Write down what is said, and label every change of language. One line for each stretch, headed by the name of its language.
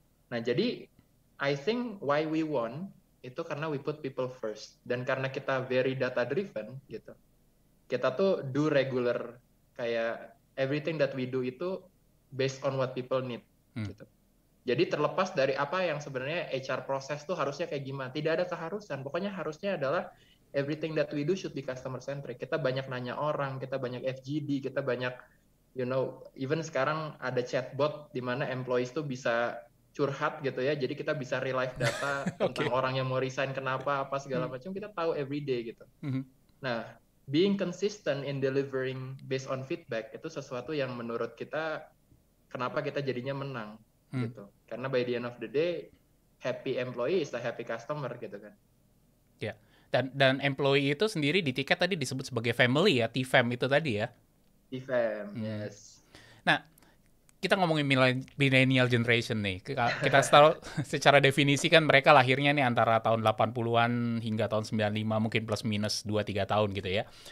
Indonesian: Nah jadi,
English: I think why we won,
Indonesian: itu karena
English: we put people first.
Indonesian: Dan karena kita
English: very data driven
Indonesian: gitu. Kita tuh
English: do regular,
Indonesian: kayak
English: everything that we do itu based on what people need.
Indonesian: Gitu. Jadi terlepas dari apa yang sebenarnya HR process tuh harusnya kayak gimana. Tidak ada keharusan. Pokoknya harusnya adalah
English: everything that we do should be customer centric.
Indonesian: Kita banyak nanya orang, kita banyak FGD, kita banyak,
English: you know, even
Indonesian: sekarang ada chatbot di mana employees tuh bisa curhat gitu ya. Jadi kita bisa relive data tentang orang yang mau resign, kenapa, apa segala macam. Kita tahu
English: every day
Indonesian: gitu. Nah,
English: being consistent in delivering based on feedback
Indonesian: itu sesuatu yang menurut kita kenapa kita jadinya menang gitu. Karena
English: by the end of the day, happy employee is a happy customer
Indonesian: gitu kan. Ya. Dan employee itu sendiri di tiket tadi disebut sebagai family ya, T-Fam itu tadi ya.
English: T-Fam, yes.
Indonesian: Nah, kita ngomongin millennial generation nih. Kita secara definisi kan mereka lahirnya nih antara tahun 80-an hingga tahun 95, mungkin plus minus 2-3 tahun gitu ya.